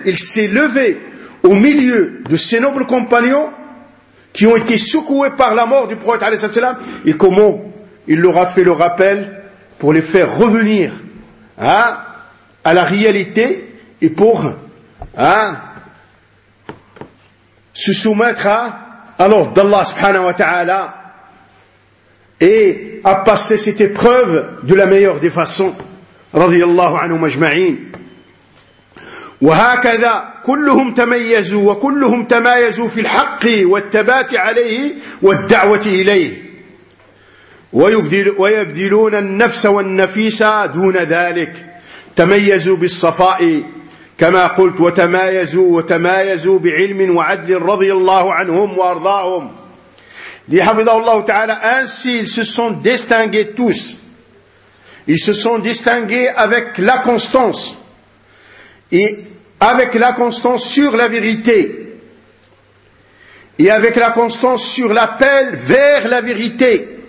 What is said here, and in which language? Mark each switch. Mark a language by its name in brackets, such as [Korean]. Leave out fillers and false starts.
[French] Il s'est levé au milieu de ses nobles compagnons qui ont été secoués par la mort du prophète alayhi salatu wassalam, et comment il leur a fait le rappel pour les faire revenir, hein, à la réalité et pour, hein, se soumettre à l'ordre d'Allah subhanahu wa ta'ala et à passer cette épreuve de la meilleure des façons, radiyallahu anhu majma'in. [Arabic] وهكذا كلهم تميزوا وكلهم تمايزوا في الحق والثبات عليه والدعوة إليه ويبذلون النفس والنفيس دون ذلك. تميزوا بالصفاء كما قلت وتمايزوا بعلم وعدل رضي الله عنهم وأرضاهم. لحفظه الله تعالى [French] ainsi ils se sont distingués tous. Ils se sont distingués avec la constance et avec la constance sur la vérité et avec la constance sur l'appel vers la vérité.